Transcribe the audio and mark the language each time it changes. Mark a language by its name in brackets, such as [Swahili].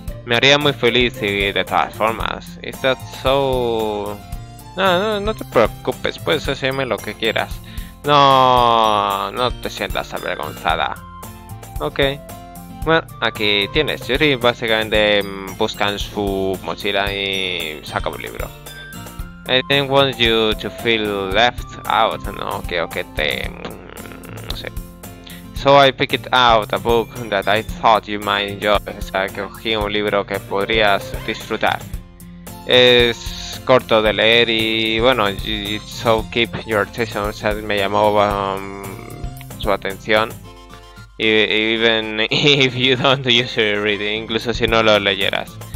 [Spanish] Me haría muy feliz y de todas formas. [English] Is that so? [Spanish] No, te preocupes, puedes decirme lo que quieras. No, no te sientas avergonzada. Ok. Bueno, aquí tienes. Yuri básicamente busca en su mochila y saca un libro. [English] I didn't want you to feel left out. [Spanish] No, creo que te. No sé. [English] So I picked out a book that I thought you might enjoy. [Spanish] O sea, que cogí un libro que podrías disfrutar. Es corto de leer y bueno, [English] so keep your attention. [Spanish] O sea, me llamó su atención. [English] Even if you don't usually read, [Spanish] incluso si no lo leyeras.